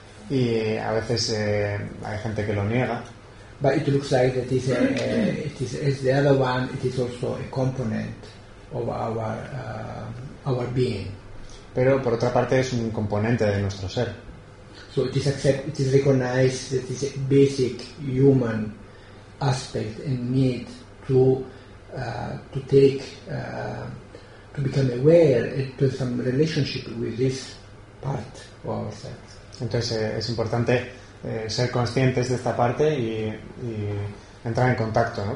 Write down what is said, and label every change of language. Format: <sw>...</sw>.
<es>Y a veces hay gente que lo niega.</es> <en>But it looks like that is it is the other one. It is also a component of our being.</en> <es>Pero por otra parte es un componente de nuestro ser.</es> <en>So it is accepted, it is recognized that it is a basic human aspect and need to become aware and to have some relationship with this part of ourselves.</en> <es>Entonces es importante ser conscientes de esta parte y entrar en contacto, ¿no?</es>